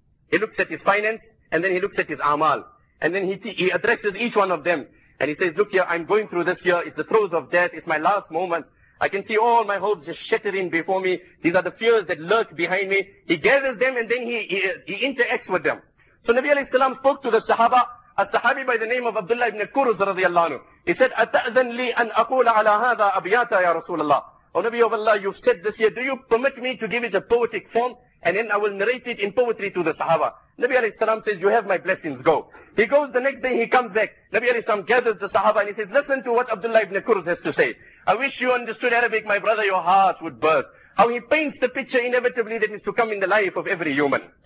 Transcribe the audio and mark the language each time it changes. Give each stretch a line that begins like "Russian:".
English: He looks at his finance, and then he looks at his amal. And then he addresses each one of them. And he says, look here, I'm going through this year. It's the throes of death. It's my last moment. I can see all my hopes just shattering before me. These are the fears that lurk behind me. He gathers them and then he interacts with them. So Nabi alayhi salam spoke to the sahaba, a sahabi by the name of Abdullah ibn Kurz radiallahu anhu. He said,
Arabic: أَتَأْذَنْ لِي أَنْ أَقُولَ عَلَىٰ هَذَا أَبْيَاتَ يَا رَسُولَ اللَّهِ.
English: O Nabi of Allah, you've said this year, do you permit me to give it a poetic form? And then I will narrate it in poetry to the sahaba. Nabi alayhi salam says, you have my blessings, go. He goes the next day, he comes back. Nabi alayhi salam gathers the sahaba and he says, listen to what Abdullah ibn Kurz has to say. I wish you understood Arabic, my brother, your heart would burst. How he paints the picture inevitably that is to come in the life of every human.